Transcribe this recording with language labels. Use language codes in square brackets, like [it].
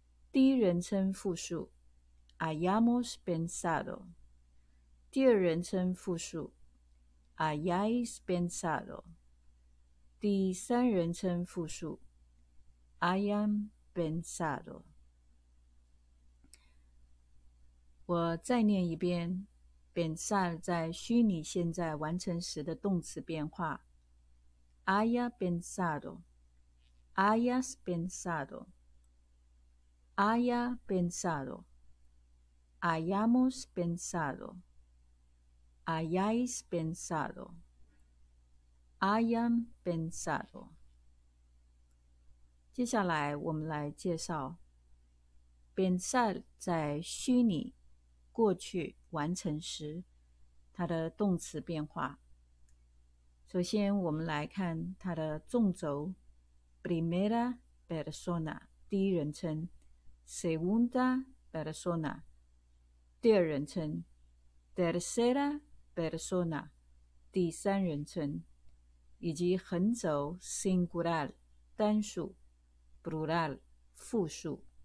[zh] 第一人称复数 [es] hayamos pensado， [zh] 第二人称复数 [es] hayais pensado， [zh] 第三人称复数 [es] hayamPensado。 [zh] 我再念一遍 pensar 在虚拟现在完成时的动词变化： [es] haya pensado， hayas pensado， haya pensado， hayamos pensado， hayáis pensado， hayan pensado。 [zh] 接下来我们来介绍 pensar 在虚拟过去完成时它的动词变化。首先我们来看它的纵轴， [es] primera persona [zh] 第一人称， [es] segunda persona [zh] 第二人称， [es] tercera persona [zh] 第三人称，以及横轴， [es] singular [zh] 单数， [es] plural [zh] 复数。